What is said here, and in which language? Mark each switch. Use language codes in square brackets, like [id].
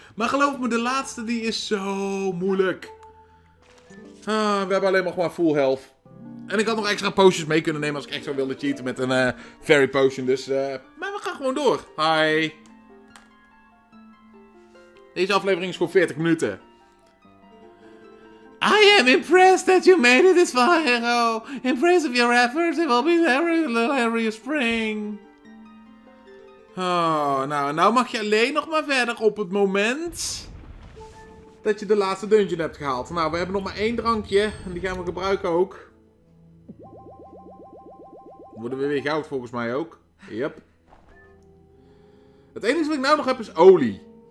[nl] Maar geloof me, de laatste die is zo moeilijk. Ah, we hebben alleen nog maar full health. En ik had nog extra potions mee kunnen nemen als ik echt zou willen cheaten met een fairy potion. Dus, maar we gaan gewoon door. Hi. Deze aflevering is voor 40 minuten. [en] I am impressed that you made it this far, Hero. Impressed of your efforts, it will be there every spring. [nl] Oh, nou mag je alleen nog maar verder op het moment dat je de laatste dungeon hebt gehaald. Nou, we hebben nog maar één drankje en die gaan we gebruiken ook. Worden we weer goud volgens mij ook. Yep. Het enige wat ik nou nog heb is olie.